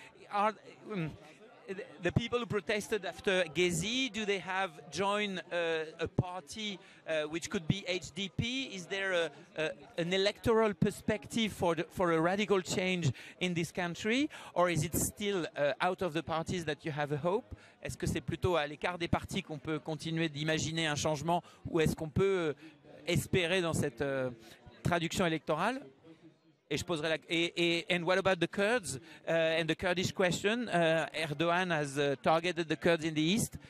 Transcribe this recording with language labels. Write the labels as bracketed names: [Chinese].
[English] Are the people who protested after Gezi, do they have joined a party which could be HDP? Is there an electoral perspective for a radical change in this country? Or is it still out of the parties that you have a hope? [French] Est-ce que c'est plutôt à l'écart des partis qu'on peut continuer d'imaginer un changement, ou est-ce qu'on peut espérer dans cette traduction électorale? Et je poserai [English] and what about the Kurds and the Kurdish question? Erdogan has targeted the Kurds in the east.